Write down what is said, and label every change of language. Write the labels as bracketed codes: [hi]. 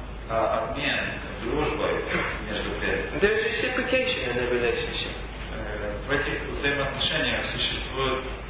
[ru] Обмен дружбой между преданными. [en] There is reciprocation in the relationship. [ru] В этих взаимоотношениях существует